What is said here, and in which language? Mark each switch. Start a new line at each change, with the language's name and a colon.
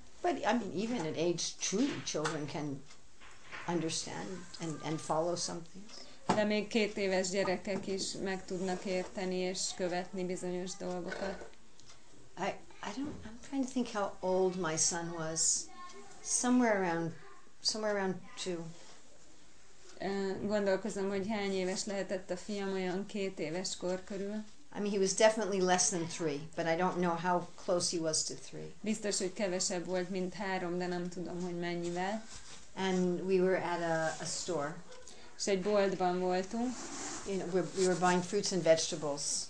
English: But I mean, even at age two, children can understand and follow something.
Hungarian: De még két éves gyerekek is meg tudnak érteni és követni bizonyos dolgokat.
English: I'm trying to think how old my son was. Somewhere around two.
Hungarian: Gondolkozom, hogy hány éves lehetett a fiam olyan két éves kor körül.
English: I mean, he was definitely less than three, but I don't know how close he was to three.
Hungarian: Biztos, hogy kevesebb volt, mint három, de nem tudom, hogy mennyivel.
English: And we were at a store. És
Hungarian: egy boltban voltunk.
English: You know, we were buying fruits and vegetables.